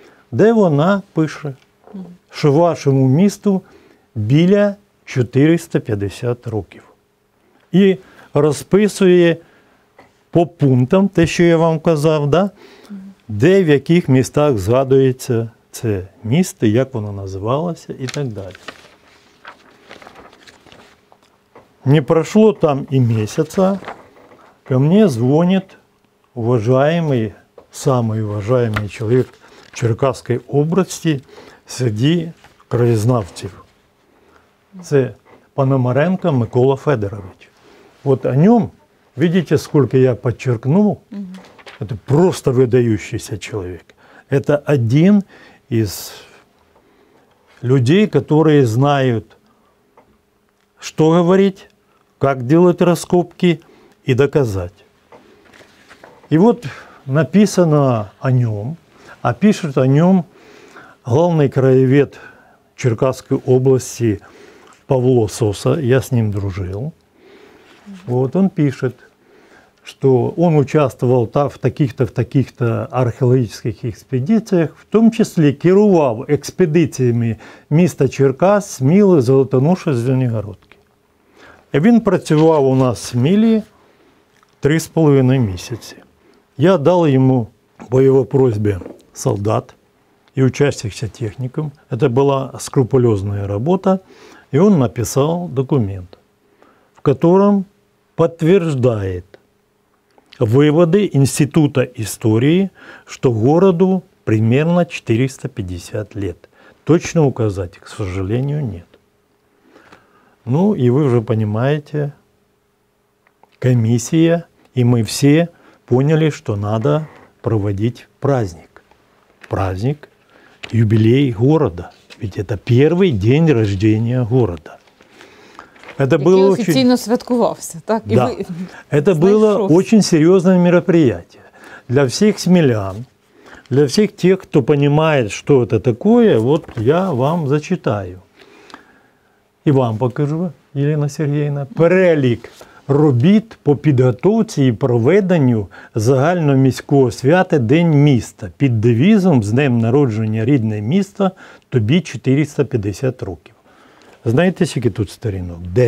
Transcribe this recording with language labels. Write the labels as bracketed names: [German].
[Ukrainian] Де вона пише, що вашому місту біля 450 років. І розписує по пунктам те, що я вам казав, да? Де, в яких містах згадується це місто, як воно називалося і так далі. [Russian] Не прошло там и месяца, ко мне звонит уважаемый, самый уважаемый человек Черкасской области среди краєзнавців. [Ukrainian] Це Пономаренко Микола Федорович. [Russian] Вот о нем, видите, сколько я подчеркнул, это просто выдающийся человек. Это один из людей, которые знают, что говорить, как делать раскопки и доказать. И вот написано о нем, а пишет о нем главный краевед Черкасской области Павло Соса, я с ним дружил. Вот он пишет, что он участвовал в таких-то, археологических экспедициях, в том числе керував экспедициями міста Черкас, Смілы, Золотоноши, Звенигородки. [Ukrainian] І він працював у нас в Смілі 3,5 місяці. Я дав йому по його просьбі солдат і учасникся технікам. Це була скрупульозна робота. І він написав документ, в якому підтверджує виводи Інституту історії, що городу приблизно 450 років. Точно вказати, [Russian] к сожалению, нет. Ну, и вы уже понимаете, комиссия, и мы все поняли, что надо проводить праздник. Праздник, юбилей города. Ведь это первый день рождения города. Это было официально святкувався, так? Да. Это было очень серьезное мероприятие. Для всех смелян, для всех тех, кто понимает, что это такое, вот я вам зачитаю. И вам покажу, Елена Сергеевна. [Ukrainian] Перелік робіт по підготовці і проведенню загальноміського свята «День міста» під девізом «З днем народження рідне місто, тобі 450 років». Знаєте, скільки тут сторінок?